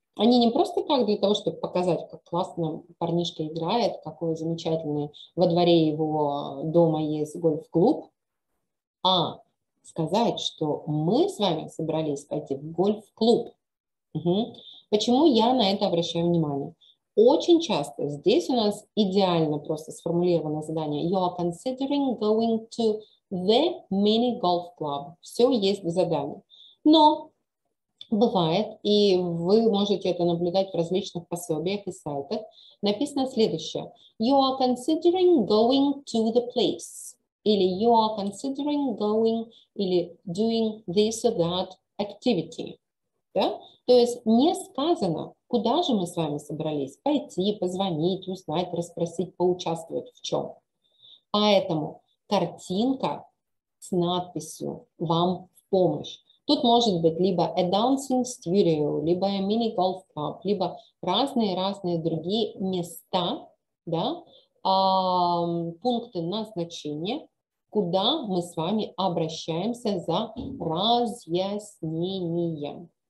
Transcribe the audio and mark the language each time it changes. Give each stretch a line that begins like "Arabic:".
Russian: Они не просто так для того, чтобы показать, как классно парнишка играет, какой замечательный во дворе его дома есть гольф-клуб, а сказать, что мы с вами собрались пойти в гольф-клуб. Угу. Почему я на это обращаю внимание? Очень часто здесь у нас идеально просто сформулировано задание.
English: You are considering going to the mini golf club.
Russian: Все есть в задании. Но бывает, и вы можете это наблюдать в различных пособиях и сайтах, написано следующее.
English: You are considering going to the place.
Russian: Или
English: you are considering going
Russian: или
English: doing this or that activity.
Russian: Да? То есть не сказано, куда же мы с вами собрались, пойти, позвонить, узнать, расспросить, поучаствовать в чем. Поэтому картинка с надписью «Вам в помощь». Тут может быть либо
English: a dancing studio,
Russian: либо
English: a mini golf club,
Russian: либо разные-разные другие места, да, пункты назначения, куда мы с вами обращаемся за разъяснением.